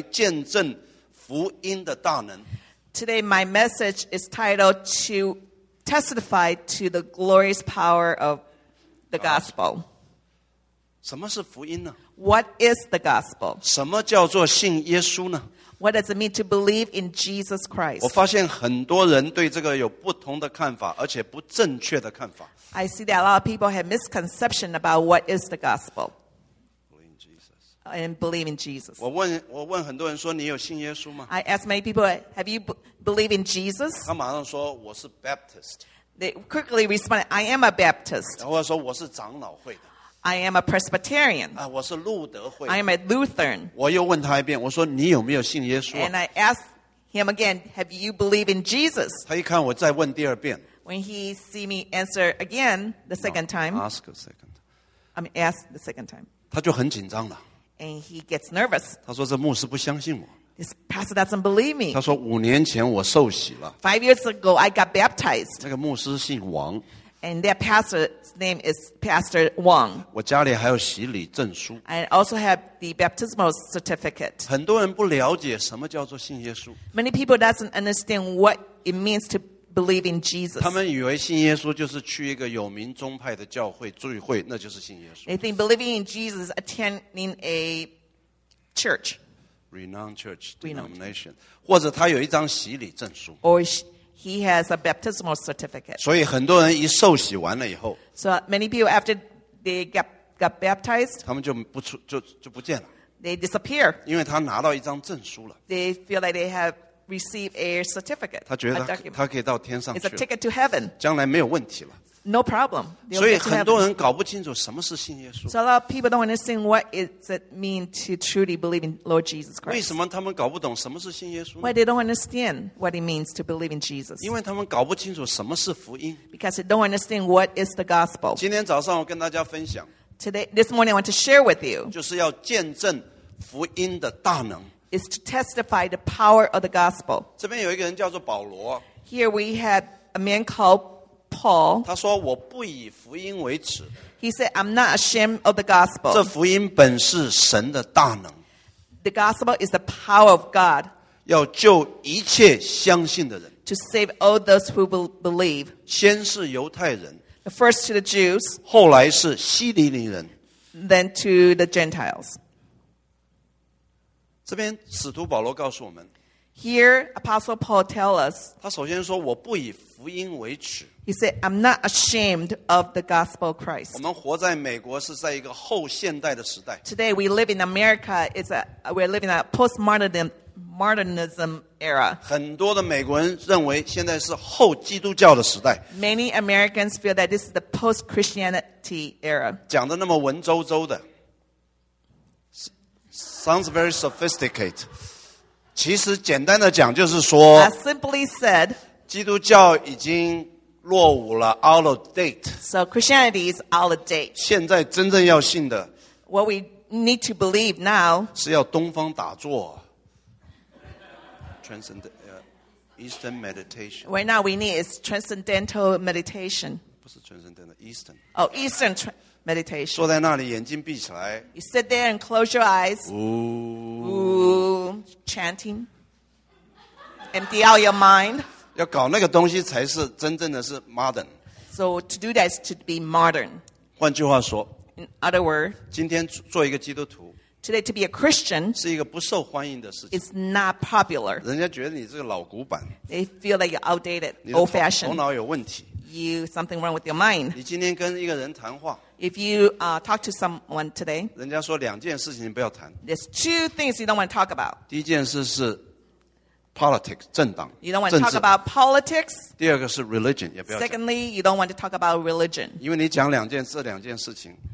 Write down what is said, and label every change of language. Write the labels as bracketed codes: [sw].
[zh] 我今天要跟大家分享的题目是来见证福音的大能。 [en] Today my message is titled to testify to the glorious power of the gospel. [zh] 什么是福音呢? [en] What is the gospel? [zh] 什么叫做信耶稣呢? [en] What does it mean to believe in Jesus Christ? [zh] 我发现很多人对这个有不同的看法，而且不正确的看法。 [en] I see that a lot of people have misconception about what is the gospel. Believe in Jesus. And believe in Jesus. [zh] 我问很多人说你有信耶稣吗? [en] I ask many people, have you believe in Jesus? [zh] 他马上说我是 Baptist. [en] They quickly respond, I am a Baptist. [zh] 然后说我是长老会的。 [en] I am a Presbyterian. [zh] 啊，我是路德会。 [en] I am a Lutheran. [zh] 我又问他一遍，我说你有没有信耶稣？ [en] And I asked him again, "Have you believe in Jesus?" [zh] 他一看我再问第二遍。 [en] When he see me answer again the second time, no, ask a second. I mean, ask the second time. [zh] 他就很紧张了。 [en] And he gets nervous. [zh] 他说这牧师不相信我。 [en] This pastor doesn't believe me. [zh] 他说五年前我受洗了。5 [en] years ago, I got baptized. [zh] 那个牧师姓王。 [en] And that pastor's name is Pastor Wang. [zh] 我家里还有洗礼证书。 [en] I also have the baptismal certificate. [zh] 很多人不了解什么叫做信耶稣。 [en] Many people doesn't understand what it means to believe in Jesus. [zh] 他们以为信耶稣就是去一个有名宗派的教会聚会, 那就是信耶稣。 [en] They think believing in Jesus is attending a church. Renowned church denomination. [zh] 或者他有一张洗礼证书。 [en] Or he has a baptismal certificate. [zh] 所以很多人一受洗完了以后, [en] so many people after they got baptized, [zh] 他们就不见了, [en] they disappear. [zh] 因为他拿到一张证书了, [en] they feel like they have received a certificate, [zh] 他觉得他可以到天上去了, [en] it's a ticket to heaven. [zh] 将来没有问题了, [en] no problem. [zh] 所以很多人搞不清楚什么是信耶稣。 [en] So a lot of people don't understand what does it mean to truly believe in Lord Jesus Christ. [zh] 为什么他们搞不懂什么是信耶稣呢? [en] Why they don't understand what it means to believe in Jesus. [zh] 因为他们搞不清楚什么是福音。 [en] Because they don't understand what is the gospel. [zh] 今天早上我跟大家分享, [en] today, this morning I want to share with you, [zh] 就是要见证福音的大能。 [en] Is to testify the power of the gospel. [zh] 这边有一个人叫做保罗。 [en] Here we have a man called Paul. [zh] 他说我不以福音为耻。 [en] He said, I'm not ashamed of the gospel. [zh] 这福音本是神的大能。 [en] The gospel is the power of God. [zh] 要救一切相信的人。 [en] To save all those who will believe. [zh] 先是犹太人。 [en] The first to the Jews. [zh] 后来是希利尼人。 [en] Then to the Gentiles. [zh] 这边使徒保罗告诉我们, [en] Here, Apostle Paul tells us, [zh] 他首先说, 我不以福音为耻, [en] he said, I'm not ashamed of the gospel of Christ. [zh] 我们活在美国是在一个后现代的时代。 [en] Today, we live in America, we're living in a postmodernism era. [zh] 很多的美国人认为现在是后基督教的时代。 [en] Many Americans feel that this is the post-Christianity era. [zh] 讲得那么文绉绉的, [en] sounds very sophisticated. [zh] 其实简单的讲就是说 [en] simply said [zh] 基督教已经落伍了 [en] out of date So Christianity is out of date [zh] 现在真正要信的 [en] What we need to believe now [zh] 是要东方打坐 [en] Eastern meditation Right now we need is transcendental meditation [zh] 不是 [en] transcendental, Eastern Oh, Eastern meditation [zh] 坐在那里, 眼睛闭起来, [en] You sit there and close your eyes 呜, Chanting, empty out your mind. [zh] 要搞那个东西才是真正的是 modern. [en] So to do that is to be modern. [zh] 换句话说, [en] In other words, [zh] 今天做一个基督徒, [en] today to be a Christian [zh] 是一个不受欢迎的事情, [en] is not popular. [zh] 人家觉得你这个老古板, [en] they feel like you're outdated, old fashioned. [zh] 头脑有问题, [en] you something wrong with your mind. [zh] 你今天跟一个人谈话, [en] If you talk to someone today, [zh] 人家说两件事情你不要谈, [en] there's two things you don't want to talk about. [zh] 第一件事是 politics, 政党, [en] you don't want to [zh] 政治, [en] talk about politics. [zh] 第二个是 religion, 也不要讲, [en] Secondly, you don't want to talk about religion. [zh] 因为你讲两件, 这两件事情,